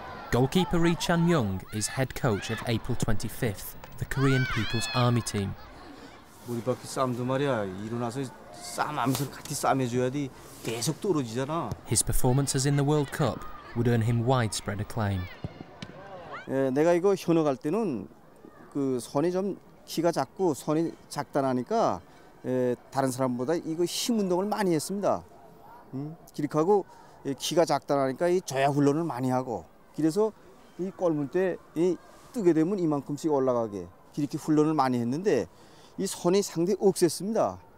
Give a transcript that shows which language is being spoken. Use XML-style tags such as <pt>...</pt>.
<en>골키퍼 Ri Chan-myung is head coach of April 25th, the Korean People's Army team.</en> <ko>우리 밖에 싸움도 말이야. 일어나서 싸움하면서 같이 싸움해줘야지 계속 떨어지잖아.</ko> <en>His performances in the World Cup would earn him widespread acclaim.</en> <ko>내가 이거 현역 할 때는 그 손이 좀 키가 작고 손이 작다나니까 다른 사람보다 이거 힘 운동을 많이 했습니다. 기력하고 키가 작다나니까 이 조약 훈련을 많이 하고 그래서 이 골문 때 이 뜨게 되면 이만큼씩 올라가게 이렇게 훈련을 많이 했는데 이 손이 상당히 억셌습니다.</ko>